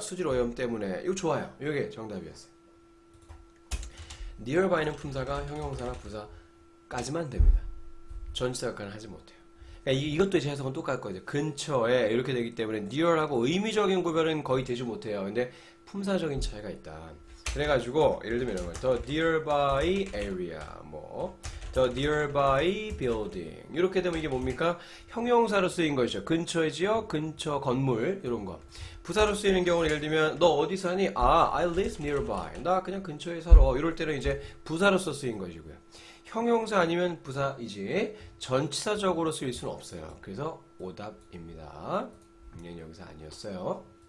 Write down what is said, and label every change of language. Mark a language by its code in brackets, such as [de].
[ko] 수질 오염 때문에. 이거 좋아요. 이게 정답이었어요. Nearby는 품사가 형용사나 부사까지만 됩니다. 전치사 역할은 하지 못해요. 이것도 제 해석은 똑같거든요. 근처에 이렇게 되기 때문에 near하고 의미적인 구별은 거의 되지 못해요. 근데 품사적인 차이가 있다. 그래가지고 예를 들면 이런 거예요. [en] The nearby area, [ko] 뭐 [en] The nearby building [ko] 이렇게 되면 이게 뭡니까? 형용사로 쓰인 것이죠. 근처의 지역, 근처 건물 이런 거. 부사로 쓰이는 경우는 예를 들면 너 어디 사니? 아, [en] I live nearby. [ko] 나 그냥 근처에 살아. 이럴 때는 이제 부사로서 쓰인 것이고요. 형용사 아니면 부사이지 전치사적으로 쓰일 수는 없어요. 그래서 오답입니다. 분명히 여기서 아니었어요.